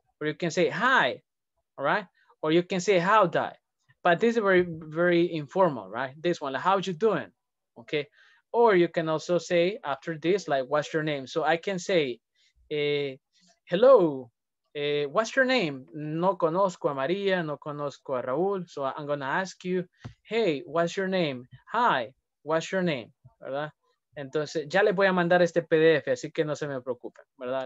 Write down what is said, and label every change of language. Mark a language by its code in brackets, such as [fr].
[en] Or you can say hi, all right? Or you can say how die, but this is very, very informal, right? This one, like, how you doing? Okay. Or you can also say after this, like, what's your name? So I can say, hello, what's your name? [es] No conozco a María, no conozco a Raúl. [en] So I'm going to ask you, hey, what's your name? Hi, what's your name? ¿Verdad? [es] Entonces, ya les voy a mandar este PDF, así que no se me preocupen, ¿verdad?